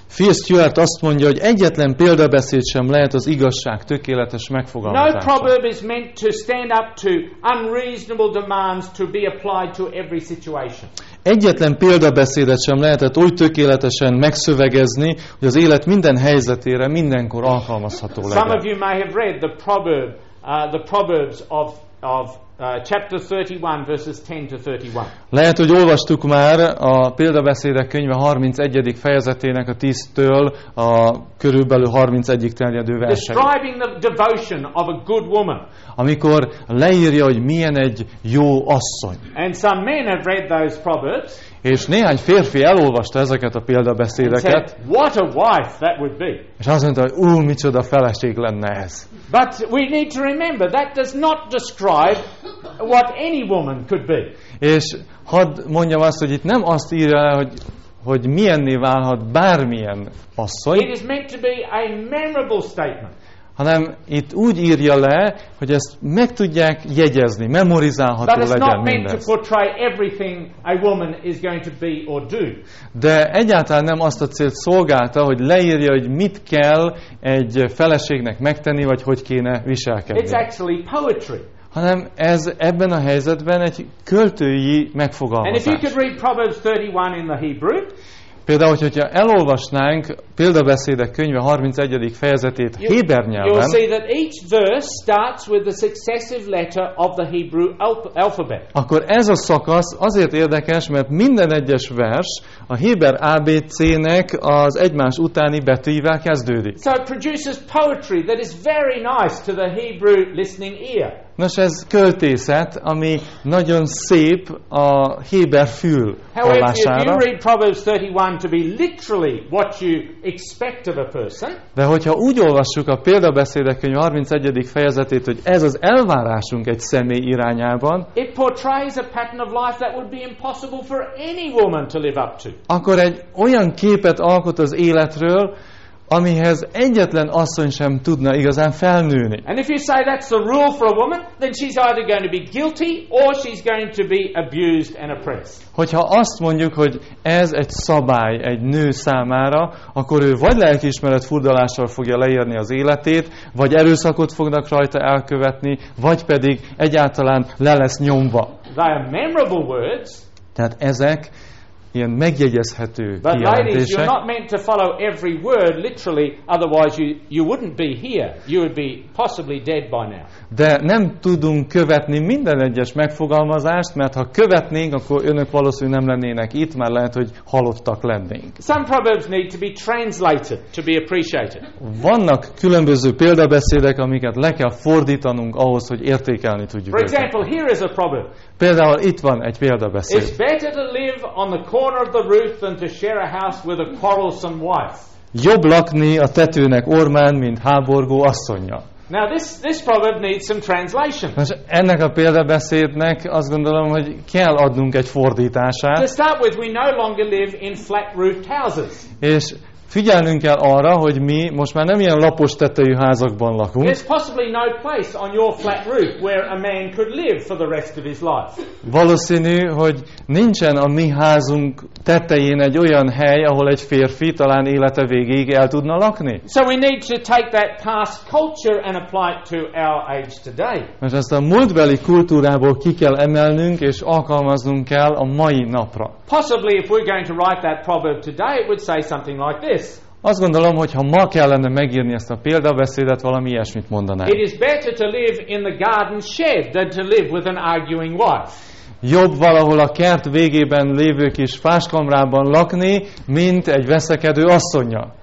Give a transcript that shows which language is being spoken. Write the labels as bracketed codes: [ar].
[hu] Phil Stewart azt mondja, hogy egyetlen példabeszéd sem lehet az igazság tökéletes megfogalmazása. [en] No proverb is meant to stand up to unreasonable demands to be applied to every situation. [hu] Egyetlen példabeszédet sem lehetett úgy tökéletesen megszövegezni, hogy az élet minden helyzetére mindenkor alkalmazható legyen. [en] Some of you may have read the proverb, the proverbs of chapter 31 verses 10 to 31. [hu] Lehet, hogy olvastuk már a példabeszédek könyve 31. fejezetének a 10-től a körülbelül 31-ig terjedő verseit. [en] Describing the devotion of a good woman. [hu] Amikor leírja, hogy milyen egy jó asszony. [en] And some men have read those proverbs. [hu] És néhány férfi elolvasta ezeket a példabeszédeket. [en] Said, what a wife that would be. [hu] És azt mondta, hogy micsoda feleség lenne ez. [en] But we need to remember that does not describe what any woman could be. [hu] És hadd mondjam azt, hogy itt nem azt írja le, hogy milyenné válhat bármilyen asszony. It is meant to be a memorable statement. Hanem itt úgy írja le, hogy ezt meg tudják jegyezni, memorizálható legyen mindez. De egyáltalán nem azt a célt szolgálta, hogy leírja, hogy mit kell egy feleségnek megtenni, vagy hogy kéne viselkedni. [en] It's actually poetry. [hu] Hanem ez ebben a helyzetben egy költői megfogalmazás. [en] And if you could read Proverbs 31 in the Hebrew, [hu] például, hogyha elolvasnánk példabeszédek könyve 31. fejezetét héber nyelven, [en] you'll see that each verse starts with the successive letter of the Hebrew alphabet. [hu] Akkor ez a szakasz azért érdekes, mert minden egyes vers a héber ABC-nek az egymás utáni betűivel kezdődik. [en] So it produces poetry that is very nice to the Hebrew listening ear. [hu] Nos, ez költészet, ami nagyon szép a héber fül hallására. [en] However, if you read Proverbs 31 to be literally what you expect of a person. [hu] De hogyha úgy olvassuk a példabeszédek könyv 31. fejezetét, hogy ez az elvárásunk egy személy irányában, [en] it portrays a pattern of life that would be impossible for any woman to live up to. [hu] Akkor egy olyan képet alkot az életről, amihez egyetlen asszony sem tudna igazán felnőni. [en] And if you say that's the rule for a woman, then she's either going to be guilty or she's going to be abused and oppressed. [hu] Hogyha azt mondjuk, hogy ez egy szabály egy nő számára, akkor ő vagy lelkiismeret furdalással fogja leírni az életét, vagy erőszakot fognak rajta elkövetni, vagy pedig egyáltalán le lesz nyomva. [en] They are memorable words. [hu] Tehát ezek ilyen megjegyezhető kijelentések. [en] You're not meant to follow every word literally, otherwise you wouldn't be here. You would be possibly dead by now. [hu] De nem tudunk követni minden egyes megfogalmazást, mert ha követnénk, akkor önök valószínűleg nem lennének itt, már lehet, hogy halottak lennénk. [en] Some proverbs need to be translated to be appreciated. [hu] Vannak különböző példabeszédek, amiket le kell fordítanunk ahhoz, hogy értékelni tudjuk. [en] For example, here is a proverb. [hu] Például itt van egy példabeszéd. [en] It's better to live on the corner of the roof than to share a house with a quarrelsome wife. [hu] Jobb lakni a tetőnek ormán, mint háborgó asszonnyal. [en] Now this proverb needs some translation. [hu] Most ennek a példabeszédnek azt gondolom, hogy kell adnunk egy fordítását. [en] To start with, we no longer live in flat-roofed houses. [hu] És figyelnünk kell arra, hogy mi most már nem ilyen lapos tetejű házakban lakunk. [en] There's possibly no place on your flat roof where a man could live for the rest of his life. [hu] Valószínű, hogy nincsen a mi házunk tetején egy olyan hely, ahol egy férfi talán élete végéig el tudna lakni. [en] So we need to take that past culture and apply it to our age today. [hu] Most ezt a múltbeli kultúrából ki kell emelnünk és alkalmaznunk kell a mai napra. [en] Possibly if we're going to write that proverb today, it would say something like this. [hu] Azt gondolom, hogy ha ma kellene megírni ezt a példabeszédet, valami ilyesmit mondanám. [en] It is better to live in the garden shed than to live with an arguing wife. [hu] Jobb valahol a kert végében lévő kis fáskamrában lakni, mint egy veszekedő asszonya.